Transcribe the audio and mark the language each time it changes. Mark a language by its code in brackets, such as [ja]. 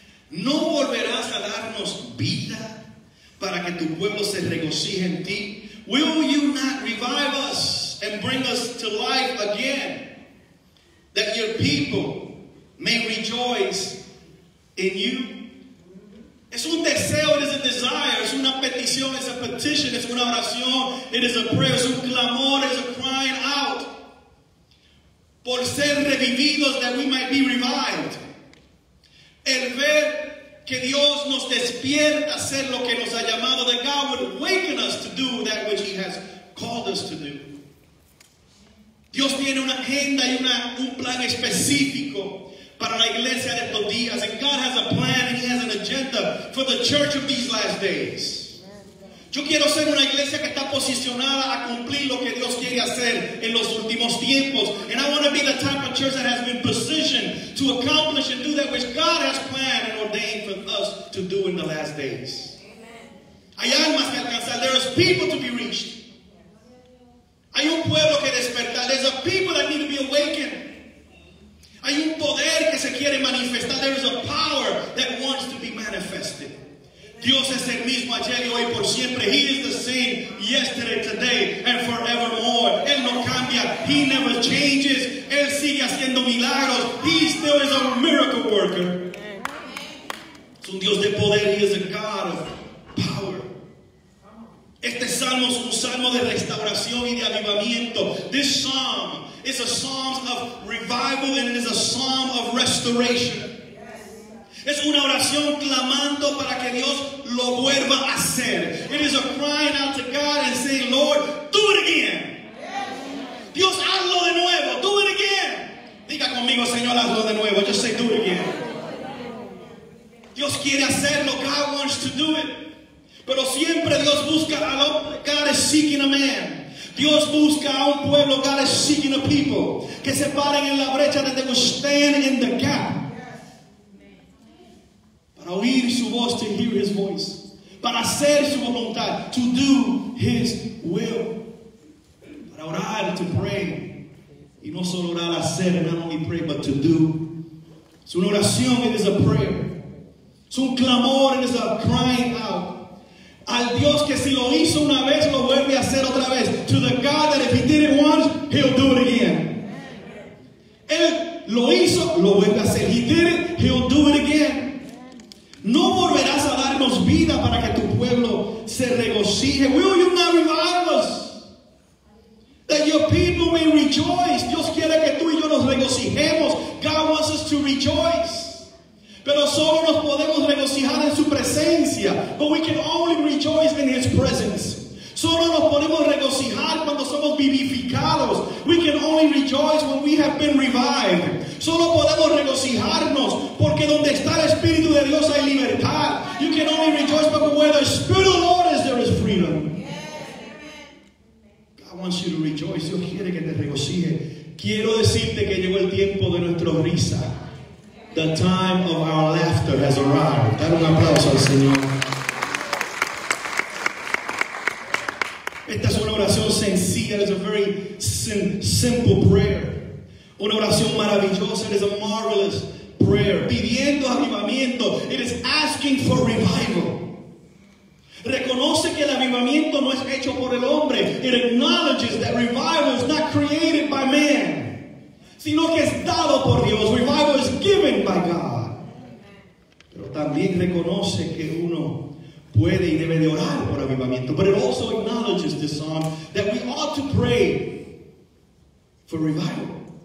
[es] ¿No volverás a darnos vida para que tu pueblo se regocije en ti? [en] Will you not revive us and bring us to life again that your people may rejoice in you? [es] Es un deseo, [en] it is a desire, [es] es una petición, [en] it's a petition, [es] es una oración, [en] it is a prayer, [es] es un clamor, [en] it is a crying out. [es] Por ser revividos, [en] that we might be revived. [es] El ver que Dios nos despierta a hacer lo que nos ha llamado, [en] that God would awaken us to do that which he has called us to do. [es] Dios tiene una agenda y un plan específico para la iglesia de estos días. [en] And God has a plan and he has an agenda for the church of these last days. [es] Yo quiero ser una iglesia que está posicionada a cumplir lo que Dios quiere hacer en los últimos tiempos. [en] And I want to be the type of church that has been positioned to accomplish and do that which God has planned and ordained for us to do in the last days. [es] Hay almas que alcanzar. [en] There is people to be reached. [es] Hay un pueblo que despertar. [en] There's a people that need to be awakened. [es] Hay un poder que se quiere manifestar. [en] There is a power that wants to be manifested. [es] Dios es el mismo ayer y hoy por siempre. [en] He is the same yesterday, today, and forevermore. [es] Él no cambia. [en] He never changes. [es] Él sigue haciendo milagros. [en] He still is a miracle worker. [es] Es un Dios de poder. [en] He is a God of power. [es] Este salmo es un salmo de restauración y de avivamiento. [en] This psalm, it's a psalm of revival and it is a psalm of restoration. [es] Es una oración clamando para que Dios lo vuelva a hacer. [en] It is a crying out to God and saying, Lord, do it again. Yes. [es] Dios, hazlo de nuevo. [en] Do it again. [es] Diga conmigo, Señor, hazlo de nuevo. [en] Just say, do it again. [es] Dios quiere hacerlo. [en] God wants to do it. [es] Pero siempre Dios busca al hombre. [en] God is seeking a man. [es] Dios busca a un pueblo. [en] God is seeking a people. [es] Que se paren en la brecha. [en] That they will stand in the gap. [es] Para oír su voz. [en] To hear his voice. [es] Para hacer su voluntad. [en] To do his will. [es] Para orar. [en] To pray. [es] Y no solo orar, hacer. [en] Not only pray, but to do. [es] Es una oración. [en] It is a prayer. [es] Es un clamor. [en] It is a crying out. [es] Al Dios que si lo hizo una vez, lo vuelve a hacer otra vez. [en] To the God that if he did it once, he'll do it again. [es] Él lo hizo, lo vuelve a hacer. [en] He did it, he'll do it again. [es] No volverás a darnos vida para que tu pueblo se regocije. [en] Will you not revive us? That your people may rejoice. [es] Dios quiere que tú y yo nos regocijemos. [en] God wants us to rejoice. [es] Pero solo nos podemos regocijar en su presencia. [en] But we can only rejoice in his presence. [es] Solo nos podemos regocijar cuando somos vivificados. [en] We can only rejoice when we have been revived. [es] Solo podemos regocijarnos porque donde está el Espíritu de Dios hay libertad. [en] You can only rejoice but where the Spirit of the Lord is, there is freedom. God wants you to rejoice. [es] Dios quiere que te regocije. Quiero decirte que llegó el tiempo de nuestra risa. [en] The time of our laughter has arrived. [es] Dar un aplauso al Señor. Esta es una oración sencilla. [en] It is a very simple prayer. [es] Una oración maravillosa. [en] It is a marvelous prayer. [es] Pidiendo avivamiento. [en] It is asking for revival. [es] Reconoce que el avivamiento no es hecho por el hombre. [en] It acknowledges that revival is not created by man. [es] Sino que es dado por Dios. [en] Revival is given by God. [es] Pero también reconoce que uno puede y debe de orar por avivamiento. [en] But it also acknowledges this song that we ought to pray for revival.